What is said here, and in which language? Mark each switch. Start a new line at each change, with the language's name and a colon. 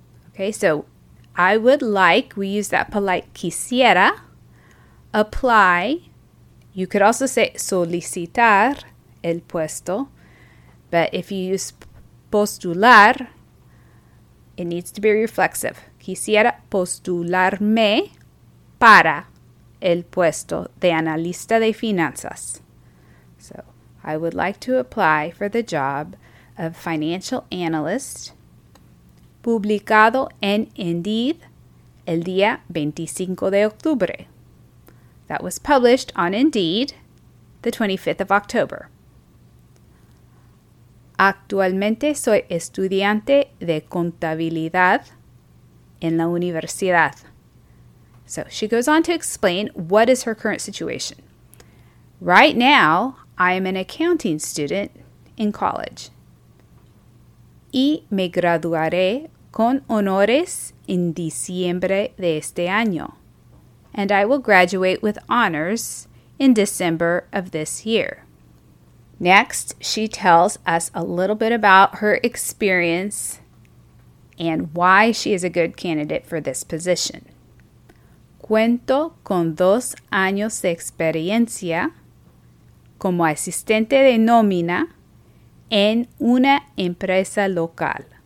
English: Okay, so I would like, we use that polite quisiera, apply. You could also say
Spanish: solicitar el puesto.
English: But if you use postular, it needs to be reflexive.
Spanish: Quisiera postularme para el puesto de analista de finanzas.
English: So, I would like to apply for the job of financial analyst
Spanish: publicado en Indeed el día 25 de octubre.
English: That was published on Indeed the 25th of October.
Spanish: Actualmente soy estudiante de contabilidad en la universidad.
English: So she goes on to explain what is her current situation. Right now, I am an accounting student in college.
Spanish: Y me graduaré con honores en diciembre de este año.
English: And I will graduate with honors in December of this year. Next, she tells us a little bit about her experience and why she is a good candidate for this position.
Spanish: Cuento con 2 años de experiencia como asistente de nómina en una empresa local.